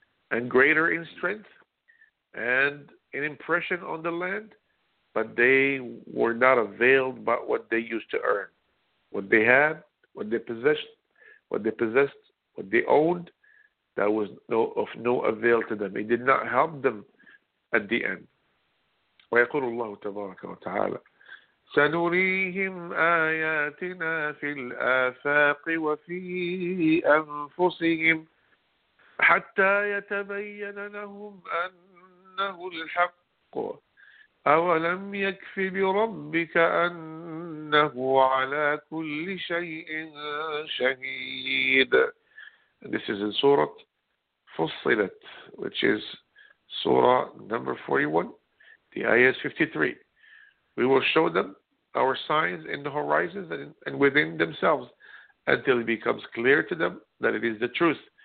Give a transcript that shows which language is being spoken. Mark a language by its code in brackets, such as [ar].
[en] and greater in strength and in impression on the land, but they were not availed by what they used to earn. What they had, what they possessed, what they owned, that was of no avail to them. It did not help them at the end. [ar] ويقول الله تبارك وتعالى سنريهم آياتنا في الآفاق وفي أنفسهم حتى يتبين لهم أنه الحق أولم يكف بربك أنه على كل شيء شهيد. [en] This is in Surah Fussilat, which is Surah number 41, the ayah is 53. We will show them our signs in the horizons and within themselves until it becomes clear to them that it is the truth.